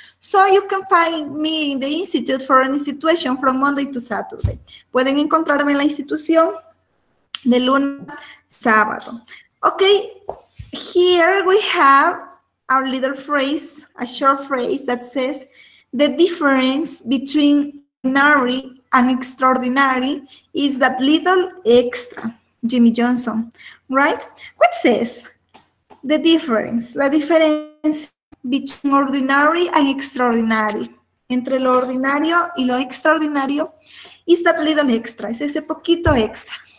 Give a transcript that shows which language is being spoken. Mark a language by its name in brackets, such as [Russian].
[English] So you can find me in the institute for any situation from Monday to Saturday. [Spanish] Pueden encontrarme en la institución de lunes a sábado. [English] Okay, here we have our little phrase, a short phrase that says the difference between ordinary and extraordinary is that little extra, Jimmy Johnson, right? What says the difference, [Spanish] la diferencia [English] between ordinary and extraordinary, [Spanish] entre lo ordinario y lo extraordinario, [English] is that little extra, [Spanish] es ese poquito extra.